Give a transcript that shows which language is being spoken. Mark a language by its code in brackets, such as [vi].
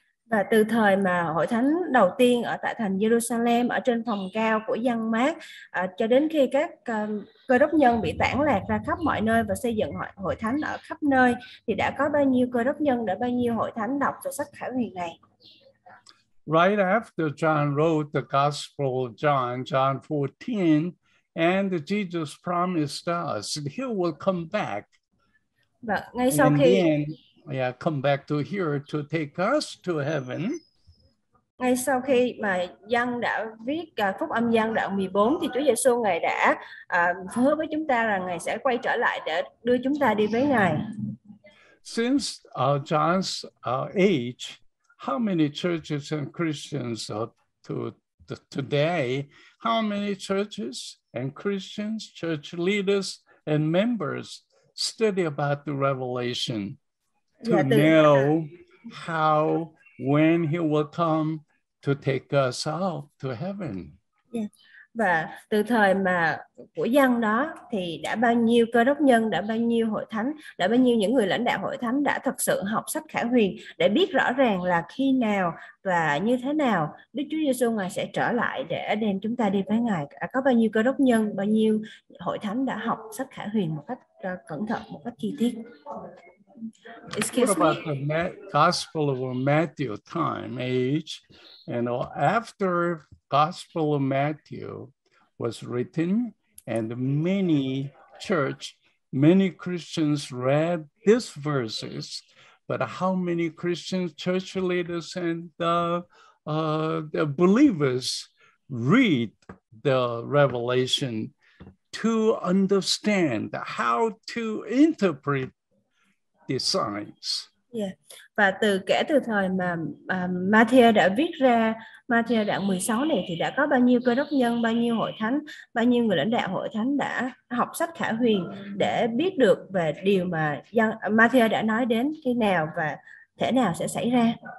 [vi] Và từ thời mà hội thánh đầu tiên ở tại thành Jerusalem, ở trên phòng cao của dân mát, cho đến khi các cơ đốc nhân bị tản lạc ra khắp mọi nơi và xây dựng hội thánh ở khắp nơi, thì đã có bao nhiêu cơ đốc nhân, đã bao nhiêu hội thánh đọc về sách Khải Huyền này? [en] Right after John wrote the Gospel of John, John 14, and Jesus promised us he will come back. [vi] Và ngay sau [en] and [vi] khi [en] then, yeah, come back to here to take us to heaven. [vi] Ngay sau khi mà Giăng đã viết phúc âm Giăng đoạn 14 thì Chúa Giêsu Ngài đã hứa với chúng ta rằng Ngài sẽ quay trở lại để đưa chúng ta đi với Ngài. [en] Since John's age, how many churches and Christians today? How many churches and Christians, church leaders and members study about the Revelation to know how, when he will come to take us out to heaven? [vi] Và từ thời mà của dân đó thì đã bao nhiêu cơ đốc nhân, đã bao nhiêu hội thánh, đã bao nhiêu những người lãnh đạo hội thánh đã thật sự học sách Khải Huyền để biết rõ ràng là khi nào và như thế nào Đức Chúa Giêsu Ngài sẽ trở lại để đem chúng ta đi với Ngài. Có bao nhiêu cơ đốc nhân, bao nhiêu hội thánh đã học sách Khải Huyền một cách cẩn thận, một cách chi tiết? [en] Excuse me. What about the Gospel of Matthew time, age, and after Gospel of Matthew was written and many Christians read these verses, but how many Christians, church leaders, and the believers read the Revelation to understand how to interpret the signs? [vi] Và từ kể từ thời mà Matthew đã viết ra Matthew đoạn 16 này thì đã có bao nhiêu cơ đốc nhân, bao nhiêu hội thánh, bao nhiêu người lãnh đạo hội thánh đã học sách Khải Huyền để biết được về điều mà Matthew đã nói đến khi nào và thể nào sẽ xảy ra?